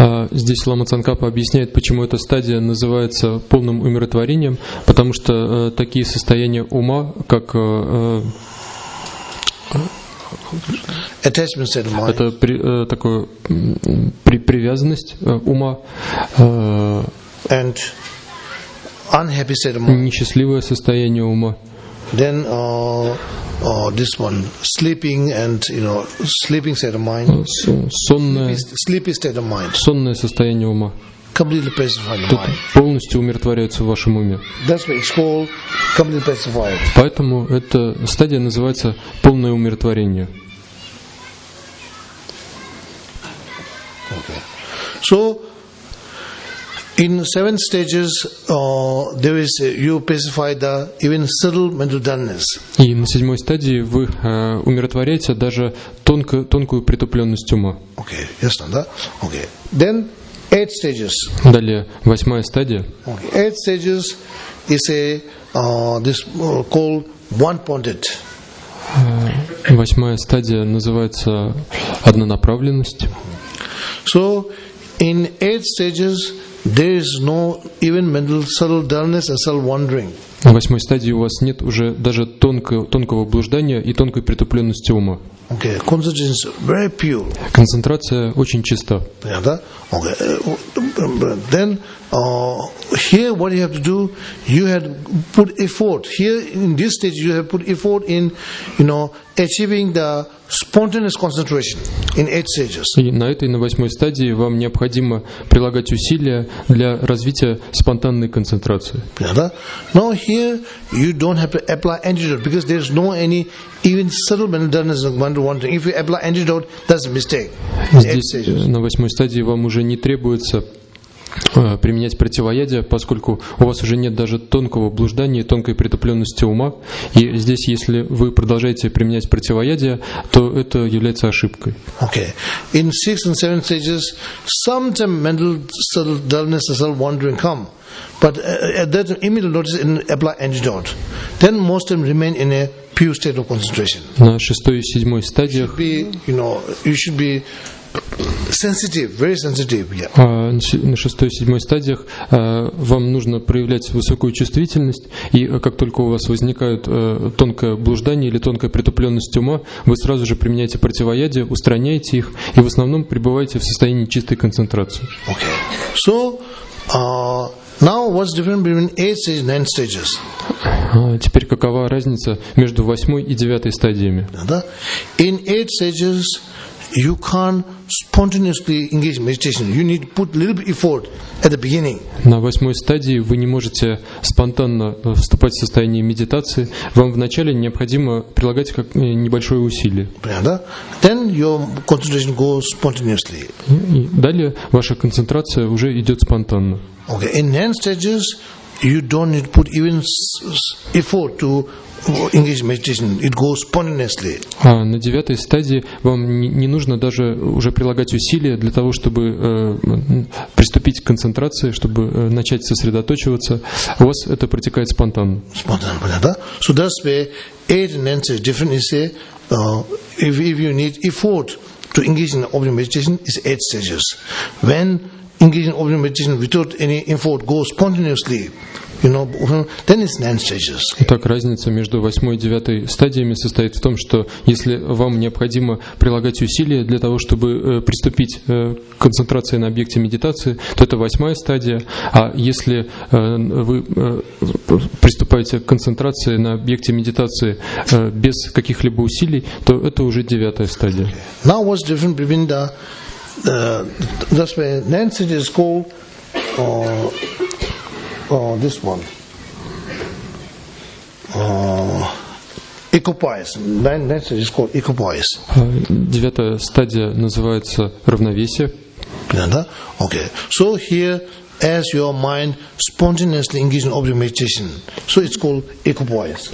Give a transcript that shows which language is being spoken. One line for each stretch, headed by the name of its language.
Russian: Здесь Лама Цанкапа объясняет, почему эта стадия называется полным умиротворением, потому что такие состояния ума, как
English: attachment state of mind.
Russian: Это такое привязанность ума
English: and unhappy state of mind.
Russian: Несчастливое состояние ума.
English: Then this one, sleeping and, you know, sleeping state of mind. Sleepy state of mind.
Russian: Сонное состояние ума.
English: Completely pacified mind.
Russian: Полностью умиротворяется в вашем уме.
English: That's why it's called completely pacified.
Russian: Поэтому эта стадия называется полное умиротворение. Okay. So
English: In seven stages, there is you pacify the even subtle mental dullness.
Russian: И на седьмой стадии вы умиротворяете даже тонкую притупленность ума.
English: Okay,
Russian: ясно, да?
English: Okay. Then eight stages.
Russian: Далее восьмая стадия. Okay.
English: Eight stages is a this called one-pointed.
Russian: Восьмая стадия называется однонаправленность.
English: So in eight stages. There is no even mental subtle dullness or subtle wandering.
Russian: В восьмой стадии у вас нет уже даже тонкого блуждания и тонкой притупленности ума.
English: Okay, concentration is very pure.
Russian: Концентрация очень чиста. Yeah, да? Okay.
English: Then here what you have to do, you have put effort. Here in this stage you have put effort in, you know, achieving the spontaneous concentration in eight stages.
Russian: И на этой, на восьмой стадии вам необходимо прилагать усилия для развития спонтанной концентрации. Yeah, да?
English: Now here you don't have to apply antidote because there's no any even subtle mental dullness wandering. If you apply antidote, that's a mistake.
Russian: На восьмой стадии вам уже не требуется применять противоядие, поскольку у вас уже нет даже тонкого блуждания, тонкой притупленности ума. И здесь, если вы продолжаете применять противоядие, то это является ошибкой. Okay.
English: In six and seven stages, sometimes mental subtle dullness and subtle wandering come. But at that immediate notice and apply antidote. Then most of them remain in a pure state of concentration.
Russian: На шестой и седьмой стадиях
English: you should be sensitive, very sensitive. Yeah.
Russian: На шестой и седьмой стадиях вам нужно проявлять высокую чувствительность, и как только у вас возникает тонкое блуждание или тонкая притупленность ума, вы сразу же применяете противоядие, устраняете их, и в основном пребываете в состоянии чистой концентрации. Okay.
English: So, now what's different between 8 stages and 9 stages?
Russian: Теперь какова разница между восьмой и девятой стадиями?
English: In 8 stages, you can't spontaneously engage meditation. You need to put a little bit effort at the beginning.
Russian: На восьмой стадии вы не можете спонтанно вступать в состояние медитации. Вам вначале необходимо прилагать как небольшое усилие.
English: Then your concentration goes spontaneously.
Russian: Далее ваша концентрация уже идет спонтанно. Okay.
English: In 9 stages, you don't need to put even effort to engage meditation. It goes spontaneously.
Russian: На девятой стадии вам не нужно даже уже прилагать усилия для того, чтобы приступить к концентрации, чтобы начать сосредоточиваться. У вас это протекает спонтанно. Спонтанно, понятно?
English: So that's where 8 and 9 stages different. Is if you need effort to engage in open meditation, is 8 stages. When engaging open meditation without any effort goes spontaneously, you know, then it's 9 stages.
Russian: Итак, разница между восьмой и девятой стадиями состоит в том, что если вам необходимо прилагать усилия для того, чтобы приступить к концентрации на объекте медитации, то это восьмая стадия, а если вы приступаете к концентрации на объекте медитации без каких-либо усилий, то это уже девятая стадия. Okay.
English: Now what's different between the that's why 9 stages is called this one. Equipoise. 9 stages is called equipoise.
Russian: Девятая стадия называется равновесие. Да? Okay.
English: So here, as your mind spontaneously engages in object meditation, so it's called equipoise.